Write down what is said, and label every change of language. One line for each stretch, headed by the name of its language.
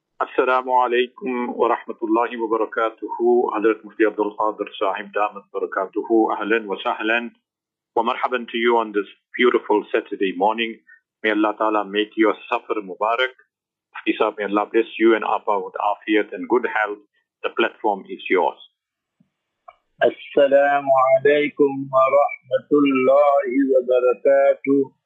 Arabic: السلام عليكم ورحمة الله وبركاته، حضرة مفتي عبد القادر صاحب دامة بركاته، أهلا وسهلا ومرحبا
English: to you on this beautiful Saturday morning. May Allah Ta'ala make your suffer Mubarak. Mufti Sahib, may Allah bless you and Appa with afiat and good health. The platform is yours.
Arabic: السلام عليكم ورحمة الله وبركاته.